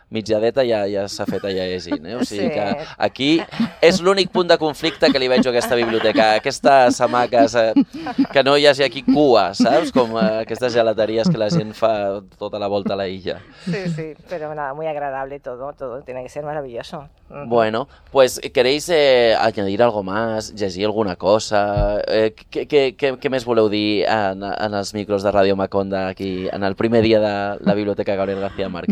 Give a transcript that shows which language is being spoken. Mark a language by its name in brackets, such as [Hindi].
[Catalan] mitjadeta ja s'ha fet allà llegint, eh? O sigui, sí, que aquí és l'únic punt de conflicte que li veig a aquesta biblioteca, aquestes hamaques, que no hi hagi aquí cua, saps? Com aquestes gelateries que la gent fa tota la volta a la illa. [Spanish] Sí, sí, però nada, muy agradable todo, tiene que ser maravilloso. Bueno, pues, ¿queréis añadir algo más, [Catalan] llegir alguna cosa? ¿Què més voleu dir en els micros de Ràdio Maconda aquí, en el primer dia de la biblioteca Gabriel García Márquez?